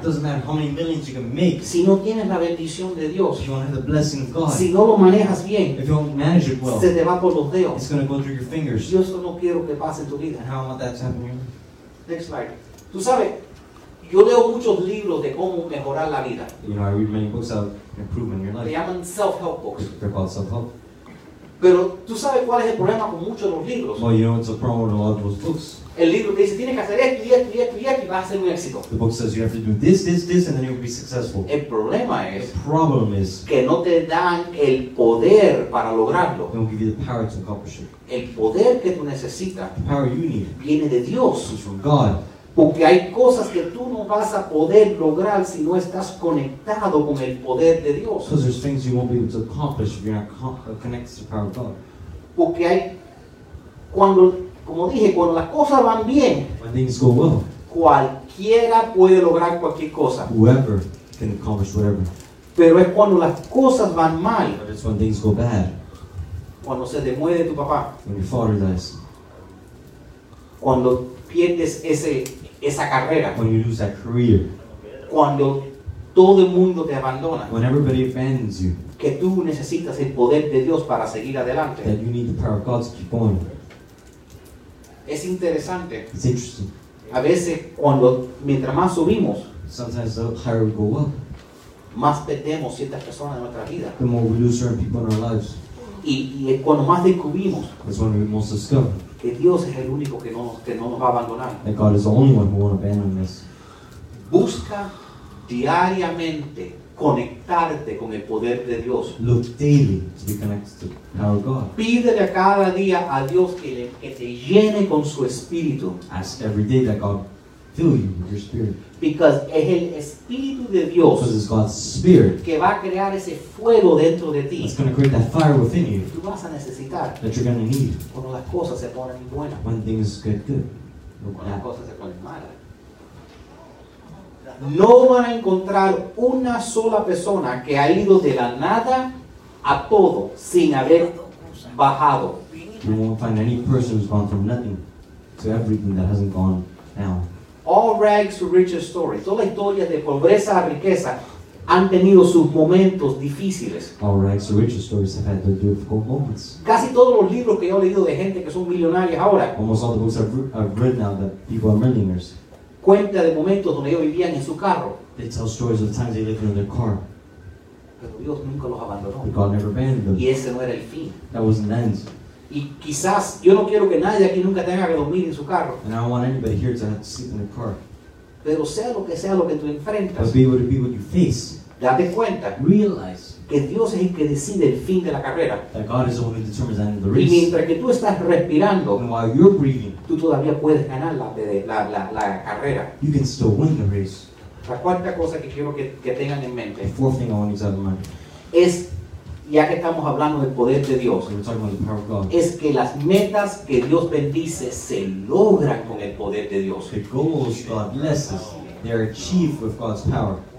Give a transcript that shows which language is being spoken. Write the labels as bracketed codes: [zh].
[en] It doesn't matter how many millions you can make. [es] Si no tienes la bendición de Dios. [en] If you don't have the blessing of God. [es] Si no lo manejas bien. [en] If you don't manage it well. [es] Se te va por los dedos. [en] It's going to go through your fingers. [es] Yo eso no quiero que pase en tu vida. [en] And how about that to happen here? Next slide. [es] Tú sabes, yo leo muchos libros de cómo mejorar la vida. [en] You know, I read many books out. Improvement in your life. They [es] llaman [en] self-help books. They're called self-help. [es] Pero tú sabes cuál es el problema con muchos de los libros. [en] Well, you know what's the problem with a lot of those books. [es] El libro te dice, tienes que hacer esto, esto, esto, esto, y vas a ser un éxito. [en] The book says you have to do this, this, this, and then you'll be successful. [es] El problema es, [en] the problem is, [es] que no te dan el poder para lograrlo. [en] They don't give you the power to accomplish it. [es] El poder que tú necesitas, [en] the power you need, [es] viene de Dios. [en] It's from God. [es] Porque hay cosas que tú no vas a poder lograr si no estás conectado con el poder de Dios. [en] Because there's things you won't be able to accomplish if you're not connected to the power of God. [es] Porque hay, cuando, como dije, cuando las cosas van bien, [en] when things go well, [es] cualquiera puede lograr cualquier cosa. [en] Whoever can accomplish whatever. [es] Pero es cuando las cosas van mal. [en] But it's when things go bad. [es] Cuando se te muere tu papá. [en] When your father dies. [es] Cuando pierdes esa carrera. [en] When you lose that career. [es] Cuando todo el mundo te abandona. [en] When everybody abandons you. [es] Que tú necesitas el poder de Dios para seguir adelante. [en] That you need the power of God to keep going. [es] Es interesante. [en] It's interesting. [es] A veces, cuando, mientras más subimos. [en] Sometimes the higher we go up. [es] Más perdemos ciertas personas de nuestra vida. [en] The more we lose certain people in our lives. [es] Y cuando más descubrimos. [en] That's when we most discover. [es] Que Dios es el único que no nos va a abandonar. [en] That God is the only one who won't abandon us. [es] Busca diariamente conectarte con el poder de Dios. [en] Look daily to be connected to the power of God. [es] Pídele cada día a Dios que te llene con su espíritu. [en] Ask every day that God fill you with your spirit. [es] Because es el espíritu de Dios. [en] Because it's God's spirit. [es] Que va a crear ese fuego dentro de ti. [en] It's going to create that fire within you. [es] Tú vas a necesitar. [en] That you're going to need. [es] Cuando las cosas se ponen buenas. [en] When things get good. [es] Cuando las cosas se ponen malas. No van a encontrar una sola persona que ha ido de la nada a todo sin haber bajado. [en] You won't find any person who's gone from nothing to everything that hasn't gone down. All rags to riches story. [es] Toda la historia de pobreza a riqueza han tenido sus momentos difíciles. [en] All rags to riches stories have had their difficult moments. [es] Casi todos los libros que yo he leído de gente que son millonarios ahora. [en] Almost all the books I've read now that people are millionaires. [es] Cuenta de momentos donde ellos vivían en su carro. [en] They tell stories of times they lived in their car. [es] Pero Dios nunca los abandonó. [en] But God never abandoned them. [es] Y ese no era el fin. [en] That wasn't the end. [es] Y quizás yo no quiero que nadie aquí nunca tenga que dormir en su carro. [en] And I don't want anybody here to have to sleep in their car. [es] Pero sea lo que tú enfrentas. [en] But be able to be what you face. [es] Date cuenta. [en] Realize. [es] Que Dios es el que decide el fin de la carrera. [en] That God is the one who determines the end of the race. [es] Y mientras que tú estás respirando. [en] And while you're breathing. [es] Tú todavía puedes ganar la carrera. [en] You can still win the race. [es] La cuarta cosa que quiero que tengan en mente. [en] The fourth thing I want you to have in mind. [es] Es. Ya que estamos hablando del poder de Dios, es que las metas que Dios bendice se logran con el poder de Dios. [en] The goals God blesses, they are achieved with God's power.